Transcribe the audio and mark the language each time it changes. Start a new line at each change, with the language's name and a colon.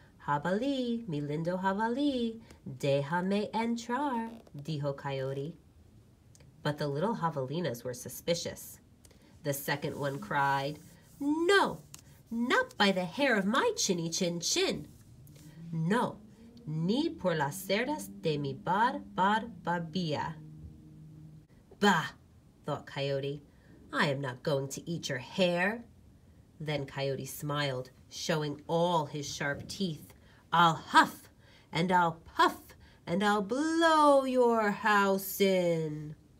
Spanish: Jabali, mi lindo jabali, déjame entrar, dijo Coyote.
English: But the little javelinas were suspicious. The second one cried, "No, not by the hair of my chinny chin chin.
Spanish: No, ni por las cerdas de mi barbilla."
English: Bah, thought Coyote, I am not going to eat your hair. Then Coyote smiled, showing all his sharp teeth. I'll huff and I'll puff and I'll blow your house in.